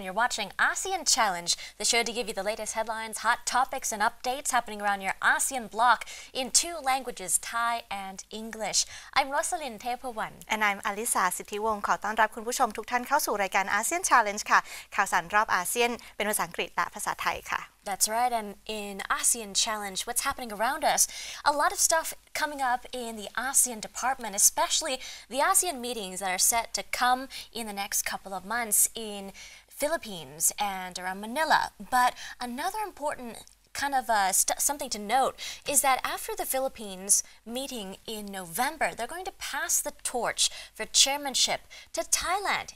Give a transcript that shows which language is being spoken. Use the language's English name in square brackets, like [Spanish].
[English] You're watching ASEAN Challenge, the show to give you the latest headlines, hot topics, and updates happening around your ASEAN block in two languages, Thai and English. I'm Rosalind Tepawan. And I'm Alisa Sithiwong. [Thai] ขอต้อนรับคุณผู้ชมทุกท่านเข้าสู่รายการ ASEAN Challenge ค่ะ ข่าวสารรอบอาเซียนเป็นภาษาอังกฤษและภาษาไทยค่ะ [English] That's right, and in ASEAN Challenge, what's happening around us? A lot of stuff coming up in the ASEAN department, especially the ASEAN meetings that are set to come in the next couple of months in Philippines and around Manila. But another important kind of something to note is that after the Philippines meeting in November, they're going to pass the torch for chairmanship to Thailand.